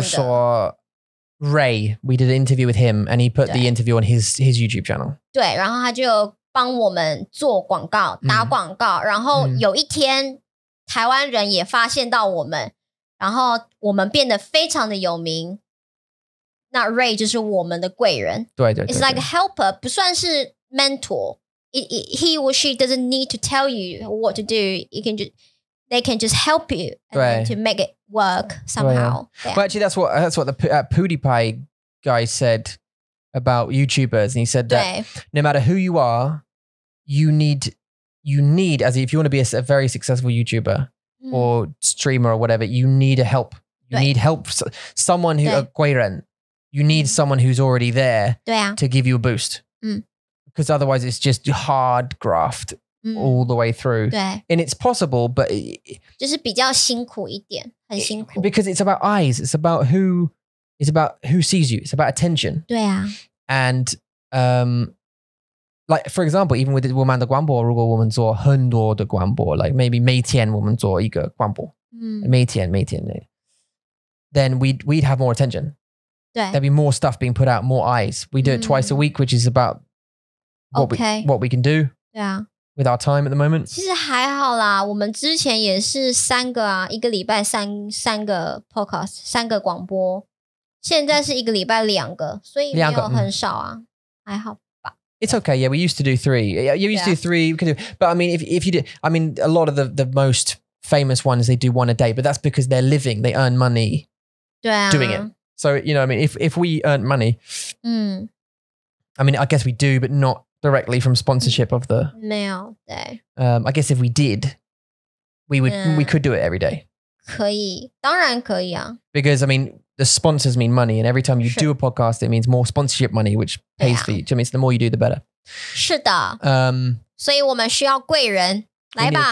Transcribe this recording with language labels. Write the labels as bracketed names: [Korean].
[Chinese] 比如说 [English] Ray We did an interview with him And he put the interview on his YouTube channel [Chinese] 对然后他就帮我们做广告打广告、然后有一天台湾人也发现到我们然后我们变得非常的有名那 Ray 就是我们的贵人对 对, 对, 对 [English] It's like a helper [Chinese] 不算是 [English] mentor He or she doesn't need to tell you what to do you can just, They can just help you to make it work somehow [Chinese] 对、 [English] yeah. But actually that's what the PewDiePie guy saidabout YouTubers and he said that no matter who you are you need as if you want to be a very successful YouTuber、or streamer or whatever you need a help you need help someone who a 贵人 you need someone who's already there、to give you a boost because、otherwise it's just hard graft、all the way through and it's possible but [Chinese] 就是比较辛苦一点很辛苦 [English] because it's about eyes it's about whowho sees you. It's about attention. [Chinese] 对啊。 [English] And, like, for example, even with [Chinese] 我们的广播,如果我们做很多的广播, [English] like maybe [Chinese] 每天我们做一个广播,每天, [English] then we'd have more attention. [Chinese] 对。 [English] There'd be more stuff being put out, more eyes. We do it twice a week, which is about what we can do. [Chinese] 对啊。 [English] With our time at the moment. [Chinese] 其实还好啦,我们之前也是三个啊,一个礼拜三个 podcast, 三个广播。现在是一个礼拜两个，所以没有很少啊，还好吧。 [English] It's okay. Yeah, we used to do three. Yeah, you used to do three. We could do, but I mean, if you did, I mean, a lot of the most famous ones they do one a day, but that's because they're living, they earn money, doing it. So you know, I mean, if we earn money, I mean, I guess we do, but not directly from sponsorship of the. [Chinese] 没有对。 [English] I guess if we did, we would we could do it every day. [Chinese] 可以，当然可以啊。 [English] Because I mean. The sponsors mean money, and every time you do a podcast, it means more sponsorship money, which pays for you. I mean, the more you do, the better. [Chinese] 是的。所以我们需要贵人，来吧。